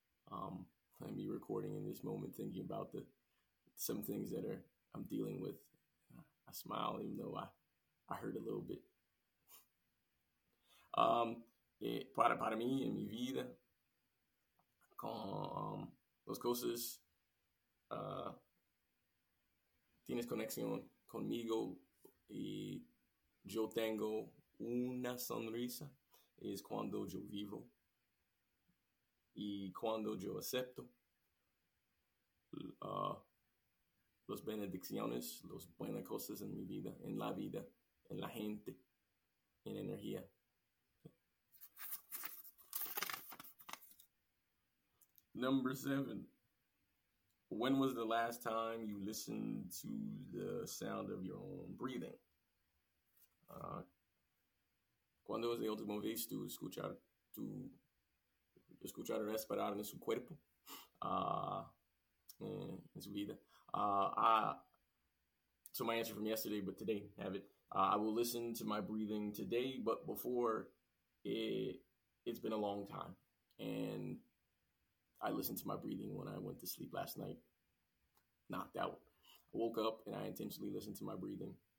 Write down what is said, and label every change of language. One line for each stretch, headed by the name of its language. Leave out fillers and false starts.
English: I'm be recording in this moment, thinking about the some things that are I'm dealing with. I smile even though I hurt a little bit.
Spanish: Para mí en mi vida, con las cosas, tienes conexión conmigo y yo tengo una sonrisa, es cuando yo vivo. Y cuando yo acepto las bendiciones, las buenas cosas en mi vida, en la vida, en la gente, en energía.
English: Number seven. When was the last time you listened to the sound of your own breathing?
Spanish: ¿Cuándo es la última vez tú escuchar tu escuchar respirar en su cuerpo, en su vida?
English: So my answer from yesterday, but today have it. I will listen to my breathing today, but before it's been a long time. And I listened to my breathing when I went to sleep last night, knocked out. I woke up and I intentionally listened to my breathing.